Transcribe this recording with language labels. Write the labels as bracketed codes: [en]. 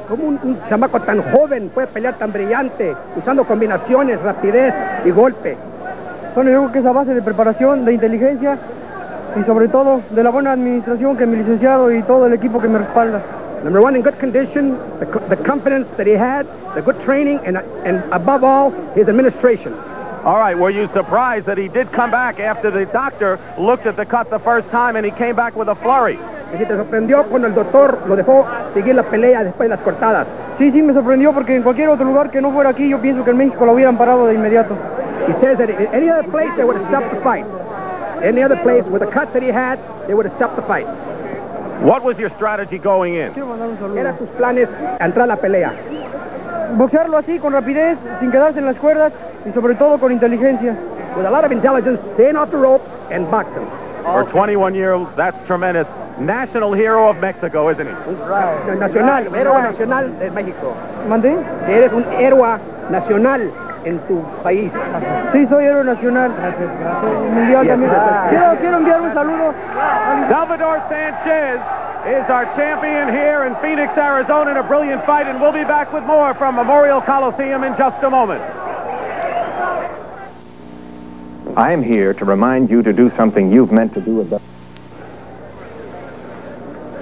[es] Como un chamaco tan joven puede pelear tan brillante, usando combinaciones, rapidez y golpe. Bueno, yo creo que es a base de preparación, de inteligencia y sobre todo de la buena administración que mi licenciado y todo el equipo que me respalda. [en] Number one, in good condition, the confidence that he had, the good training, and above all, his administration. All right, were you surprised that he did come back after the doctor looked at the cut the first time and he came back with a flurry? [es] Y si te sorprendió cuando el doctor lo dejó seguir la pelea después de las cortadas. Sí, sí, me sorprendió porque en cualquier otro lugar que no fuera aquí, yo pienso que en México lo hubieran parado de inmediato. [en] He says that in any other place, they would have stopped the fight. Any other place, with the cut that he had, they would have stopped the fight. What was your strategy going in? [es] Era tus planes entrar a la pelea. Boxearlo así, con rapidez, sin quedarse en las cuerdas, y sobre todo con inteligencia. [en] With a lot of intelligence, staying off the ropes and boxing. For 21 years, that's tremendous. National hero of Mexico, isn't he? [es] Right. Nacional, héroe nacional de México. ¿Mandé? Que eres un héroe nacional en tu país. Sí, soy héroe nacional. Quiero enviar un saludo. [en] Salvador Sanchez is our champion here in Phoenix, Arizona, in a brilliant fight, and we'll be back with more from Memorial Coliseum in just a moment. I am here to remind you to do something you've meant to do with that.